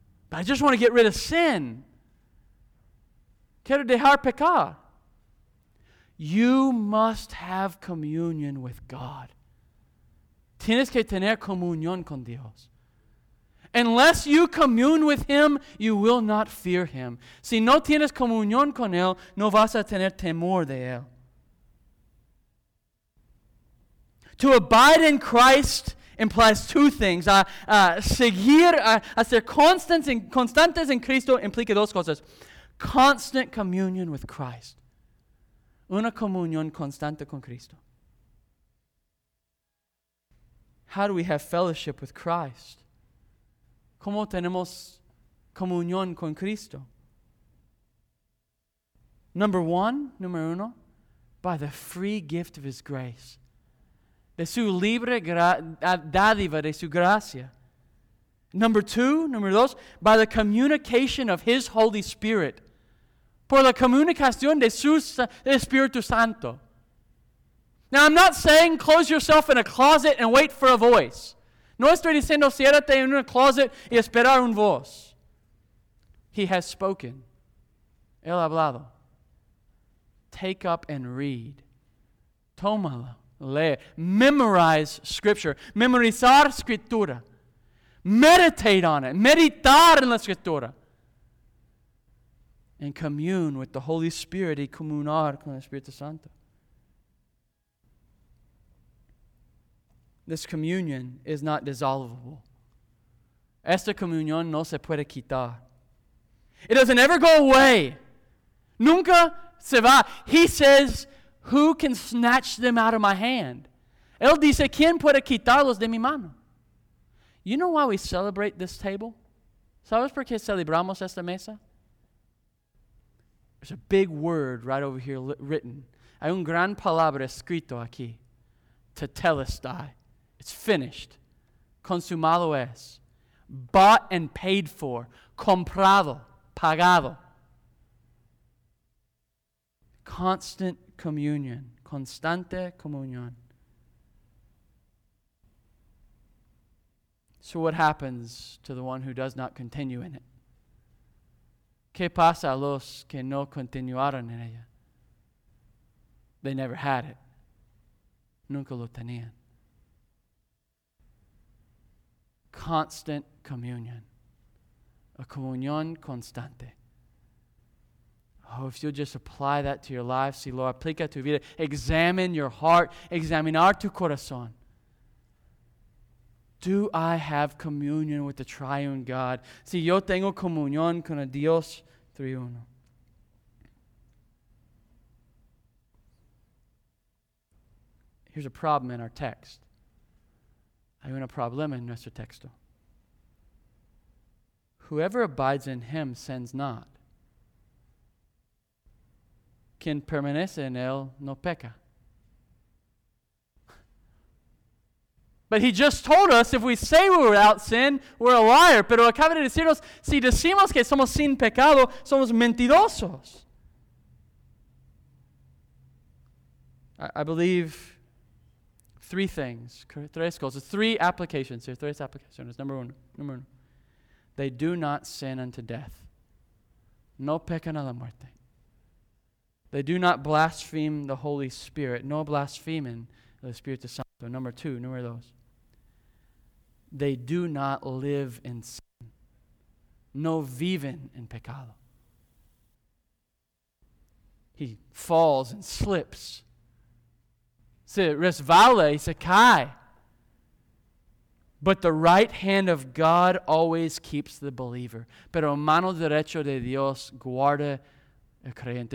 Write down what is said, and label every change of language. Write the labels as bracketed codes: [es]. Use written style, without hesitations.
[en] But I just want to get rid of sin. [es] Quiero dejar pecar. [en] You must have communion with God. [es] Tienes que tener comunión con Dios. [en] Unless you commune with him, you will not fear him. [es] Si no tienes comunión con él, no vas a tener temor de él. [en] To abide in Christ implies two things. [es] Seguir a ser constantes en Cristo implica dos cosas. [en] Constant communion with Christ. [es] Una comunión constante con Cristo. [en] How do we have fellowship with Christ? [es] ¿Cómo tenemos comunión con Cristo? Número uno, [en] by the free gift of his grace. [es] De su libre dádiva, de su gracia. Número dos, [en] by the communication of his Holy Spirit. [es] Por la comunicación de su Espíritu Santo. [en] Now, I'm not saying close yourself in a closet and wait for a voice. [es] No estoy diciendo ciérrate en una closet y esperar un voz. [en] He has spoken. [es] Él ha hablado. [en] Take up and read. [es] Tómalo. Lee. [en] Memorize scripture. [es] Memorizar escritura. [en] Meditate on it. [es] Meditar en la escritura. [en] And commune with the Holy Spirit [es] y comunar con el Espíritu Santo. [en] This communion is not dissolvable. [es] Esta comunión no se puede quitar. [en] It doesn't ever go away. [es] Nunca se va. [en] He says, who can snatch them out of my hand? [es] Él dice, ¿quién puede quitarlos de mi mano? [en] You know why we celebrate this table? [es] ¿Sabes por qué celebramos esta mesa? [en] There's a big word right over here written. [es] Hay un gran palabra escrito aquí. [en] Tetelestai. It's finished. [es] Consumado es. [en] Bought and paid for. [es] Comprado. Pagado. [en] Constant communion. [es] Constante comunión. [en] So what happens to the one who does not continue in it? [es] ¿Qué pasa a los que no continuaron en ella? [en] They never had it. [es] Nunca lo tenían. [en] Constant communion. [es] A comunión constante. [en] Oh, if you'll just apply that to your life, [es] si lo aplica tu vida, [en] examine your heart, [es] examinar tu corazón. [en] Do I have communion with the triune God? [es] Si yo tengo comunión con Dios triuno. [en] Here's a problem in our text. [es] Hay un problema en nuestro texto. [en] Whoever abides in him sins not. [es] Quien permanece en él no peca. [en] But he just told us if we say we're without sin, we're a liar. [es] Pero acaba de decirnos, si decimos que somos sin pecado, somos mentirosos. [en] I believe three things, [es] tres cosas, [en] three applications here, tres applications. Number one. They do not sin unto death. [es] No pecan a la muerte. [en] They do not blaspheme the Holy Spirit. [es] No blasfemen el Espíritu Santo. Número dos. [en] They do not live in sin. [es] No viven en pecado. [en] He falls and slips. [es] Se resbala y se cae. [en] But the right hand of God always keeps the believer. [es] Pero mano derecho de Dios guarda el creyente.